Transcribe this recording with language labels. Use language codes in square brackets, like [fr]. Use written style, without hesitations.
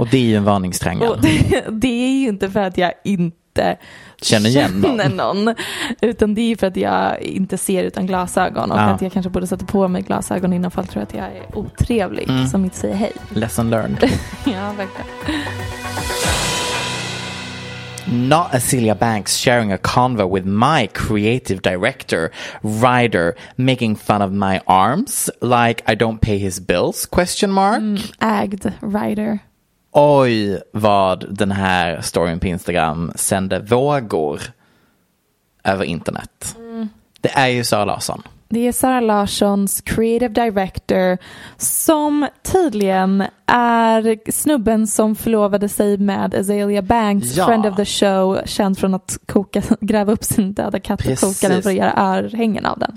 [sv] Och det är ju en varningstriangel. Och det är ju inte för att jag inte känner igen någon. Utan det är ju för att jag inte ser utan glasögon. Och att jag kanske borde sätta på mig glasögon innan folk tror att jag är otrevlig som inte säger hej. [en] Lesson learned. [sv] Ja, verkligen. [en] Not Azealia Banks sharing a convo with my creative director, Ryder, making fun of my arms like I don't pay his bills, question mark. [sv] Ägd Ryder. Oj, vad den här storyn på Instagram sände vågor över internet. Det är ju Sara Larsson. Det är Sara Larssons creative director som tydligen är snubben som förlovade sig med Azealia Banks, [en] friend of the show, [sv] känd från att gräva upp sin döda katt och koka den för att göra örhängen av den.